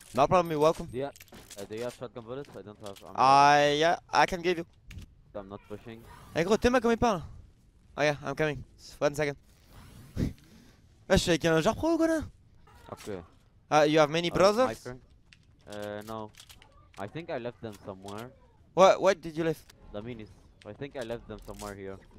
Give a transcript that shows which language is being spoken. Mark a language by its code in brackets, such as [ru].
[en] No problem, you're welcome. Yeah. Do you have shotgun bullets? I don't have. Yeah, I can give you. I'm not pushing. [fr] Hey, gros, t'es ma comme il parle. [en] Oh, yeah, I'm coming. One second. [fr] Ouais, je suis avec un joueur pro ou quoi là? [en] Ok. You have many brothers? No. I think I left them somewhere. What did you leave? The minis. I think I left them somewhere here.